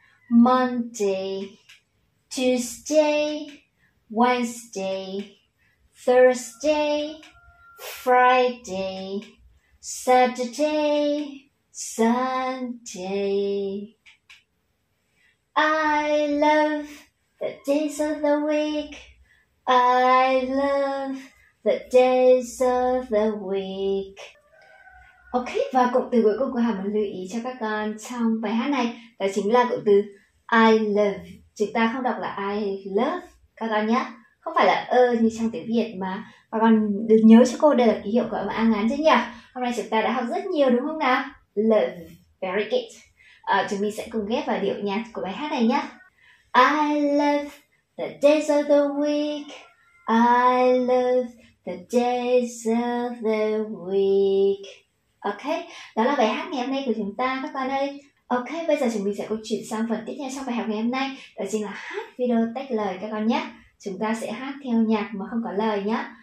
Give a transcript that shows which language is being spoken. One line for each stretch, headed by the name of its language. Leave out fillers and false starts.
English: Monday, Tuesday, Wednesday, Thursday, Friday, Saturday, Sunday. I love the days of the week. I love the days of the week.
Vietnamese: Ok, và cụm từ cuối cùng của Hà muốn lưu ý cho các con trong bài hát này đó chính là cụm từ I love. Chúng ta không đọc là I love các con nhé. Không phải là ơ như trong tiếng Việt mà. Và còn được nhớ cho cô đây là ký hiệu của âm A ngắn chứ nhỉ. Hôm nay chúng ta đã học rất nhiều đúng không nào?
English: Love, very good.
Vietnamese: Chúng mình sẽ cùng ghép vào điệu nhạc của bài hát này nhé.
English: I love the days of the week. I love the days of the week.
Vietnamese: Ok, đó là bài hát ngày hôm nay của chúng ta các bạn ơi. Ok, bây giờ chúng mình sẽ cùng chuyển sang phần tiếp theo trong bài học ngày hôm nay. Đó chính là hát video tách lời các con nhé. Chúng ta sẽ hát theo nhạc mà không có lời nhé.